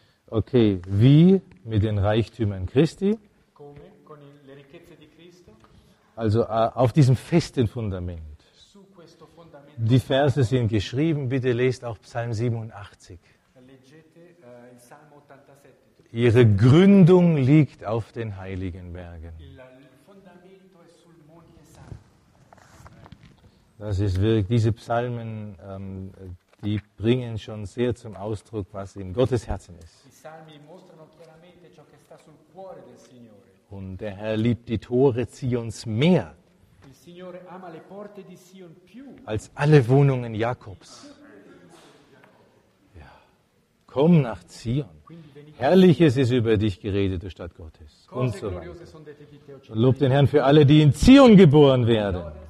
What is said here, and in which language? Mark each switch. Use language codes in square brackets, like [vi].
[de] Okay, wie mit den Reichtümern Christi? [it] Come, con le ricchezze di Cristo? [de] Also auf diesem festen Fundament. [it] Su questo fundamento. [de] Die Verse sind geschrieben, bitte lest auch Psalm 87. [it] Leggete, il Salmo 87. [de] Ihre Gründung liegt auf den heiligen Bergen. [it] Il fondamento è sul Monte Santo. [de] Das ist wirklich, diese Psalmen, die bringen schon sehr zum Ausdruck, was in Gottes Herzen ist. [it] I salmi mostrano chiaramente ciò che sta sul cuore del Signore. [de] Und der Herr liebt die Tore Zions mehr. [it] Il Signore ama le porte di Sion più. [de] Als alle Wohnungen Jakobs. Ja. Komm nach Zion. Herrliches ist über dich geredet, du Stadt Gottes. Und so weiter. Lob den Herrn für alle, die in Zion geboren werden.